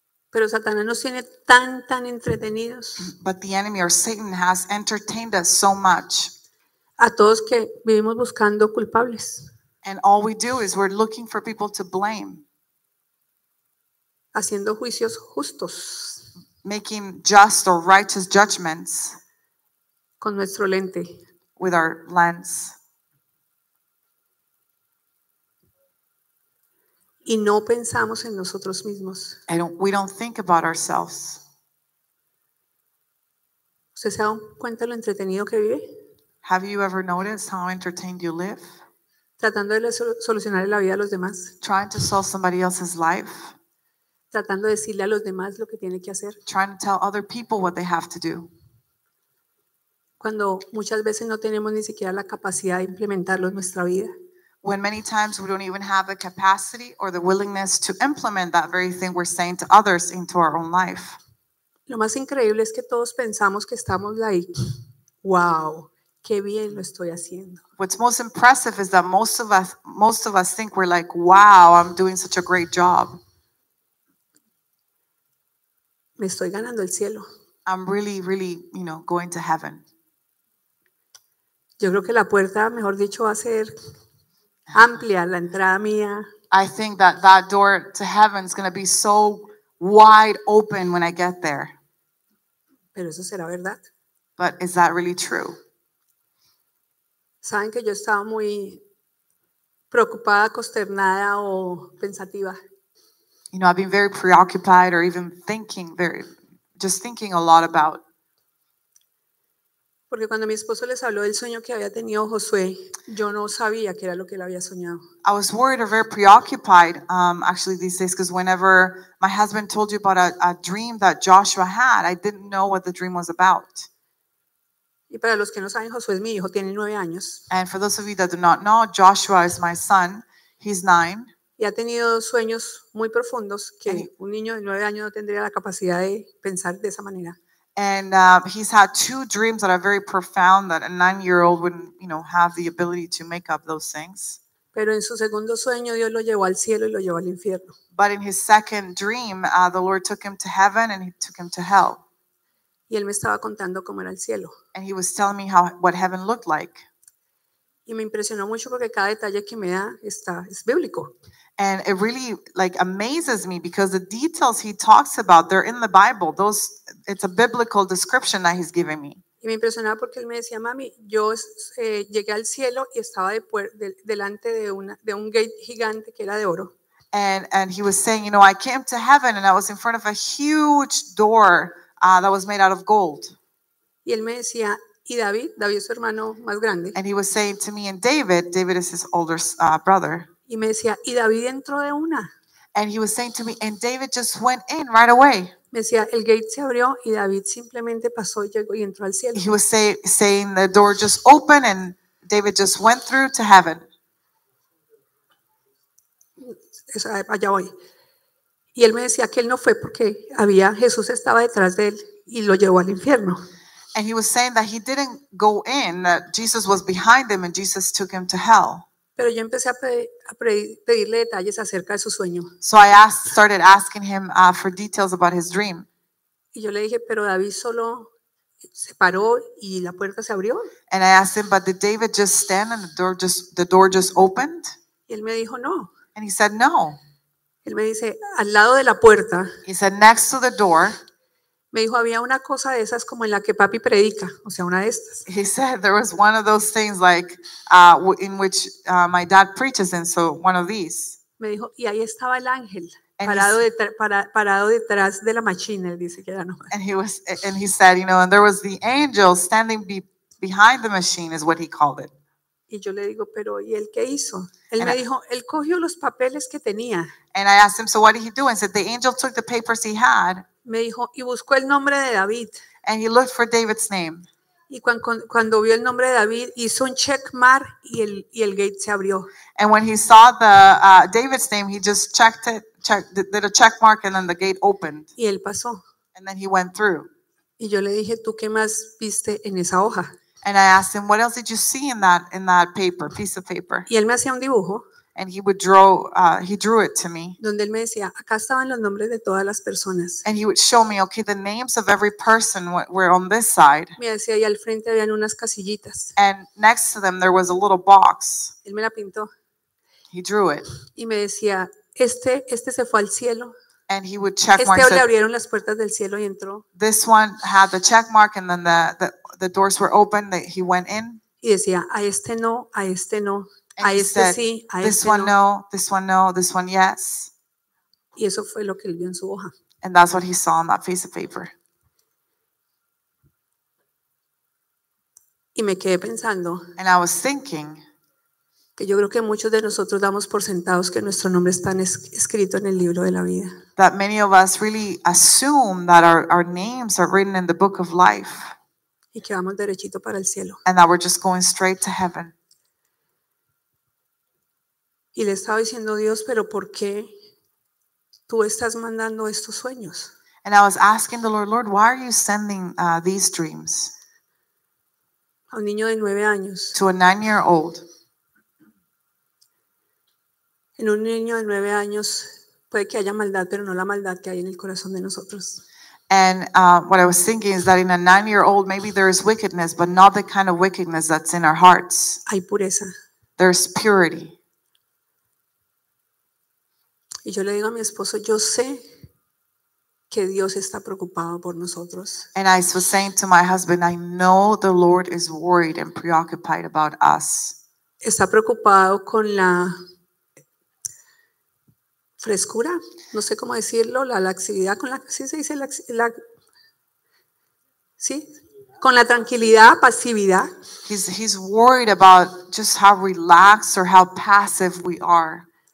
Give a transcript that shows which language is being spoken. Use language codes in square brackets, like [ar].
[es] Pero Satanás nos tiene tan tan entretenidos. [en] But the enemy or Satan has entertained us so much. [es] A todos que vivimos buscando culpables. [en] And all we do is we're looking for people to blame. [es] Haciendo juicios justos. [en] Making just or righteous judgments. [es] Con nuestro lente. [en] With our lens. [es] Y no pensamos en nosotros mismos. [en] We don't think about ourselves. [es] ¿Usted se ha dado cuenta lo entretenido que vive? [en] Have you ever noticed how entertained you live? [es] Tratando de solucionar la vida a los demás. [en] Trying to solve somebody else's life. [es] Tratando de decirle a los demás lo que tiene que hacer. [en] Trying to tell other people what they have to do. [es] Cuando muchas veces no tenemos ni siquiera la capacidad de implementarlo en nuestra vida. [en] When many times we don't even have the capacity or the willingness to implement that very thing we're saying to others into our own life. [es] Lo más increíble es que todos pensamos que estamos [en] like, wow, [es] qué bien lo estoy haciendo. [en] What's most impressive is that most of us think we're like, wow, I'm doing such a great job. [es] Me estoy ganando el cielo. [en] I'm really, really, going to heaven. [es] Yo creo que la puerta, mejor dicho, va a ser amplia, la entrada mía. [en] I think that door to heaven is going to be so wide open when I get there. [es] Pero eso será verdad. [en] But is that really true? [es] Saben que yo estaba muy preocupada, consternada o pensativa. [en] I've been very preoccupied or even thinking a lot about. [es] Porque cuando mi esposo les habló del sueño que había tenido Josué, yo no sabía qué era lo que él había soñado. [en] I was worried or very preoccupied, these days, because whenever my husband told you about a dream that Joshua had, I didn't know what the dream was about. [es] Y para los que no saben, Josué es mi hijo, tiene 9 años. [en] And for those of you that do not know, Joshua is my son, he's 9. [es] Y ha tenido sueños muy profundos que un niño de 9 años no tendría la capacidad de pensar de esa manera. [en] And he's had 2 dreams that are very profound that a 9-year-old wouldn't, have the ability to make up those things. [es] Pero en su segundo sueño Dios lo llevó al cielo y lo llevó al infierno. [en] But in his second dream, the Lord took him to heaven and he took him to hell. [es] Y él me estaba contando cómo era el cielo. [en] And he was telling me what heaven looked like. [es] Y me impresionó mucho porque cada detalle que me da es bíblico. [en] And it really amazes me because the details he talks about, they're in the Bible. It's a biblical description that he's giving me. [es] Y me impresionaba porque él me decía, mami, yo llegué al cielo y estaba delante de un gate gigante que era de oro. [en] And he was saying, I came to heaven and I was in front of a huge door that was made out of gold. [es] Y él me decía, y David es su hermano más grande. [en] And he was saying to me, and David is his older brother. [es] Y me decía, y David entró de una. [en] And he was saying to me, and David just went in right away. [es] Me decía, el gate se abrió y David simplemente pasó y llegó y entró al cielo. [en] He was saying the door just opened and David just went through to heaven. [es] Allá voy. Y él me decía que él no fue porque había Jesús estaba detrás de él y lo llevó al infierno. [en] And he was saying that he didn't go in, that Jesus was behind him and Jesus took him to hell. [es] Pero yo empecé a pedirle detalles acerca de su sueño. [en] So I started asking him for details about his dream. [es] Y yo le dije, pero David solo se paró y la puerta se abrió. [en] And I asked him, but did David just stand and the door just opened? [es] Y él me dijo, no. [en] And he said, no. [es] Él me dice, al lado de la puerta. [en] He said, next to the door. [es] Me dijo, había una cosa de esas como en la que papi predica, o sea, una de estas. [en] He said, there was one of those things like, in which my dad preaches in, so one of these. [es] Me dijo, y ahí estaba el ángel, parado detrás de la máquina, él dice que era no. [en] And he said, and there was the angel standing behind the machine, is what he called it. [es] Y yo le digo, pero ¿y él qué hizo? Él me dijo, él cogió los papeles que tenía. [en] And I asked him, so what did he do? And said, the angel took the papers he had. [es] Me dijo, y buscó el nombre de David. [en] And he looked for David's name. [es] Y cuando vio el nombre de David, hizo un check mark y el gate se abrió. [en] And when he saw the David's name, he just checked it, did a check mark, and then the gate opened. [es] Y él pasó. [en] And then he went through. [es] Y yo le dije, ¿tú qué más viste en esa hoja? [en] And I asked him, what else did you see in that paper, piece of paper? [es] Y él me hacía un dibujo. [en] And he would draw, he drew it to me. [es] Donde él me decía, acá estaban los nombres de todas las personas. [en] And he would show me, okay, the names of every person were on this side. [es] Me decía, y al frente habían unas casillitas. [en] And next to them there was a little box. [es] Él me la pintó. [en] He drew it. [es] Y me decía, este se fue al cielo. [en] And he would check marks. [es] Este le abrieron las puertas del cielo y entró. [en] This one had the check mark and then the doors were open that he went in. [es] Y decía, a este no, a este no. [en] And he said, this one no, this one no, this one yes. [es] Y eso fue lo que él vio en su hoja. [en] And that's what he saw on that piece of paper. [es] Y me quedé pensando. [en] And I was thinking. [es] Que yo creo que muchos de nosotros damos por sentados que nuestro nombre está escrito en el libro de la vida. [en] That many of us really assume that our names are written in the book of life. [es] Y que vamos derechito para el cielo. [en] And that we're just going straight to heaven. [es] Y le estaba diciendo, Dios, pero ¿por qué tú estás mandando estos sueños? [en] And I was asking the Lord, Lord, why are you sending these dreams? [es] A un niño de 9 años. [en] To a 9-year-old. [es] En un niño de 9 años puede que haya maldad, pero no la maldad que hay en el corazón de nosotros. [en] And what I was thinking is that in a 9-year-old, maybe there is wickedness, but not the kind of wickedness that's in our hearts. [es] Hay pureza. [en] There's purity. [es] Y yo le digo a mi esposo, yo sé que Dios está preocupado por nosotros. [en] And I was saying to my husband, I know the Lord is worried and preoccupied about us. [es] Está preocupado con la frescura, no sé cómo decirlo, la laxividad con la, ¿sí se dice la? ¿Sí? Con la tranquilidad, pasividad. [en] He's worried about just how relaxed or how passive we are.